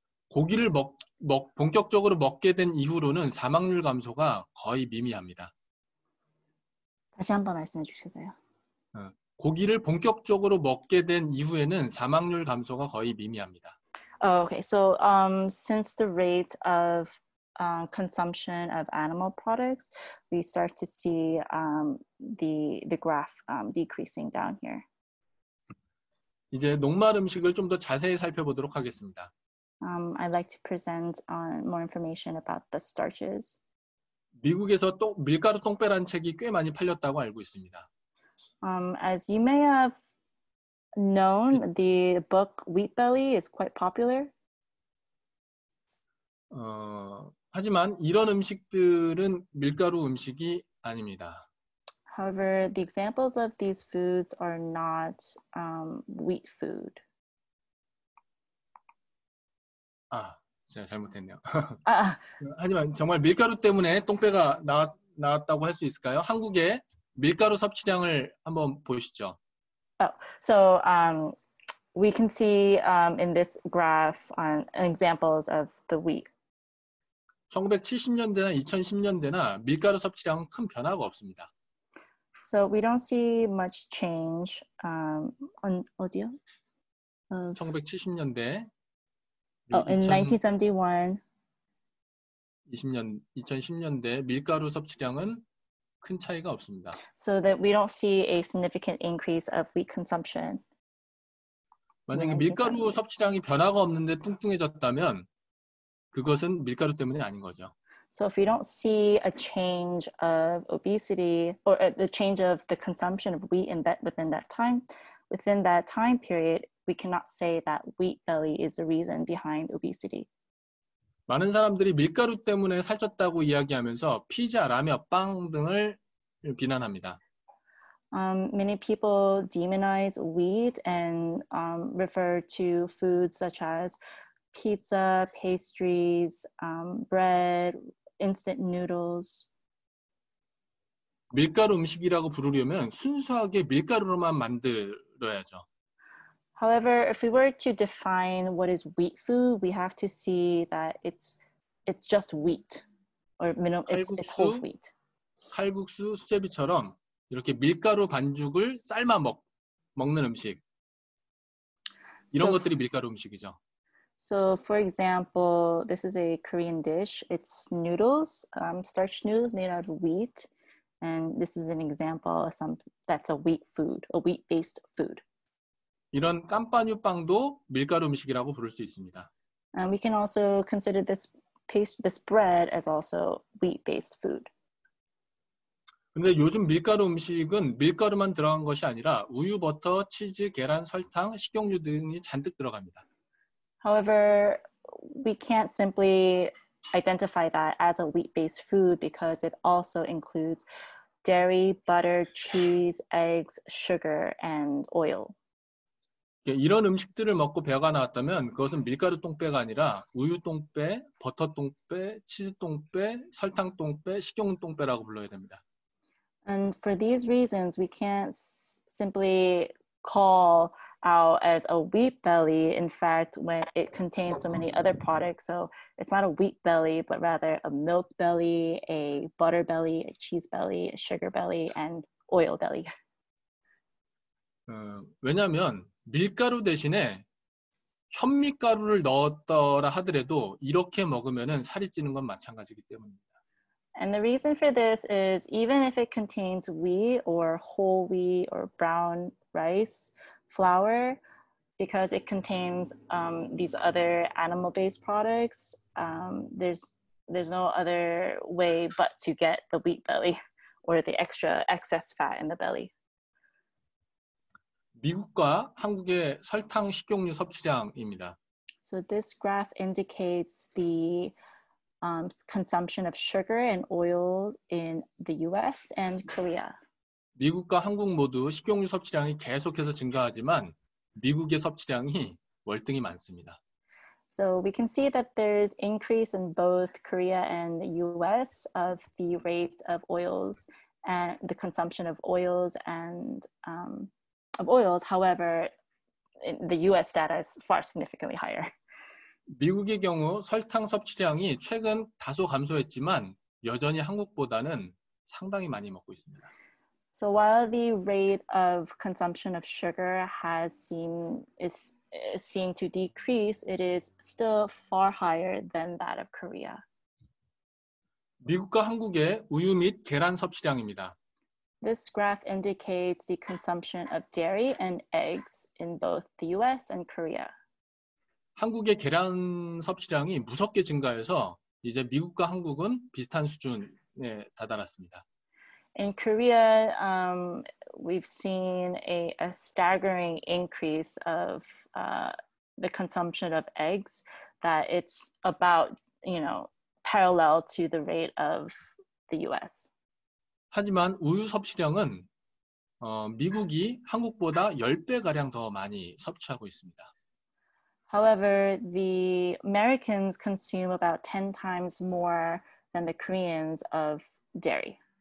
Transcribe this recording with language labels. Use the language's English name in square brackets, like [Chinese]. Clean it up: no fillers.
[Korean] 고기를 본격적으로 먹게 된 이후로는 사망률 감소가 거의 미미합니다. 다시 한번 말씀해 주실까요? 고기를 본격적으로 먹게 된 이후에는 사망률 감소가 거의 미미합니다. [English] Okay, so since the rate of consumption of animal products, we start to see the graph decreasing down here. [Korean] 이제 녹말 음식을 좀 더 자세히 살펴보도록 하겠습니다. [English] I'd like to present on more information about the starches. [Korean] 미국에서 또 밀가루 똥배란 책이 꽤 많이 팔렸다고 알고 있습니다. [English] As you may have known, the book Wheat Belly is quite popular. [Korean] 하지만 이런 음식들은 밀가루 음식이 아닙니다. [English] However, the examples of these foods are not wheat food. [Korean] 제가 잘못했네요. 하지만 정말 밀가루 때문에 똥배가 나왔다고 할 수 있을까요? 한국의 밀가루 섭취량을 한번 보시죠. [English] We can see in this graph examples of the wheat. [Korean] 1970년대나 2010년대나 밀가루 섭취량은 큰 변화가 없습니다. [English] So we don't see much change on [Korean] 어디요? 1970년대. [English] In 1971, [Korean] 2010년대 밀가루 섭취량은 큰 차이가 없습니다. [English] So that we don't see a significant increase of wheat consumption. [Korean] 만약에 밀가루 섭취량이 변화가 없는데 뚱뚱해졌다면 그것은 밀가루 때문에 아닌 거죠. [English] So if we don't see a change of obesity or the change of the consumption of wheat in that within that time, within that time period, we cannot say that wheat belly is the reason behind obesity. [Korean] 많은 사람들이 밀가루 때문에 살쪘다고 이야기하면서 피자, 라면, 빵 등을 비난합니다. [English] Many people demonize wheat and refer to foods such as pizza, pastries, bread, instant noodles. [Korean] 밀가루 음식이라고 부르려면 순수하게 밀가루로만 만들어야죠. [English] However, if we were to define what is wheat food, we have to see that it's just wheat or minimum it's whole wheat. [Korean] 칼국수, 수제비처럼 이렇게 밀가루 반죽을 삶아 먹는 음식. 이런 것들이 밀가루 음식이죠. [English] So for example, this is a Korean dish. It's noodles, starch noodles made out of wheat. And this is an example of some that's a wheat food, a wheat-based food. [Korean] 이런 깜빠뉴 빵도 밀가루 음식이라고 부를 수 있습니다. [English] And we can also consider this bread as also wheat-based food. [Korean] 근데 요즘 밀가루 음식은 밀가루만 들어간 것이 아니라 우유, 버터, 치즈, 계란, 설탕, 식용유 등이 잔뜩 들어갑니다. [English] However, we can't simply identify that as a wheat-based food because it also includes dairy, butter, cheese, eggs, sugar, and oil. [Korean] 이런 음식들을 먹고 배가 나왔다면 그것은 밀가루 똥배가 아니라 우유 똥배, 버터 똥배, 치즈 똥배, 설탕 똥배, 식용유 똥배라고 불러야 됩니다. [English] And for these reasons, we can't simply call out as a wheat belly. In fact, when it contains so many other products, so it's not a wheat belly, but rather a milk belly, a butter belly, a cheese belly, a sugar belly, and oil belly. [Korean] 왜냐하면 밀가루 대신에 현미가루를 넣었더라 하더라도 이렇게 먹으면은 살이 찌는 건 마찬가지이기 때문입니다. [English] And the reason for this is even if it contains wheat or whole wheat or brown rice flour, because it contains these other animal-based products, there's no other way but to get the wheat belly or the extra excess fat in the belly. [Korean] 미국과 한국의 설탕 식용유 섭취량입니다. [English] So this graph indicates the consumption of sugar and oil in the U.S. and Korea. [Korean] 미국과 한국 모두 식용유 섭취량이 계속해서 증가하지만 미국의 섭취량이 월등히 많습니다. [English] So we can see that there's increase in both Korea and the U.S. of the rate of oils and the consumption of oils and of oils. However, the U.S. data is far significantly higher. [Korean] 미국의 경우 설탕 섭취량이 최근 다소 감소했지만 여전히 한국보다는 상당히 많이 먹고 있습니다. [English] So while the rate of consumption of sugar is seen to decrease, it is still far higher than that of Korea. [Korean] 미국과 한국의 우유 및 계란 섭취량입니다. [English] This graph indicates the consumption of dairy and eggs in both the US and Korea. [Korean] 한국의 계란 섭취량이 무섭게 증가해서 이제 미국과 한국은 비슷한 수준에 다다랐습니다. [English] In Korea, we've seen a staggering increase of the consumption of eggs that it's about, you know, parallel to the rate of the US. [Korean] 하지만 우유 섭취량은 미국이 한국보다 10배 가량 더 많이 섭취하고 있습니다. [English] However, the Americans consume about 10 times more than the Koreans of dairy.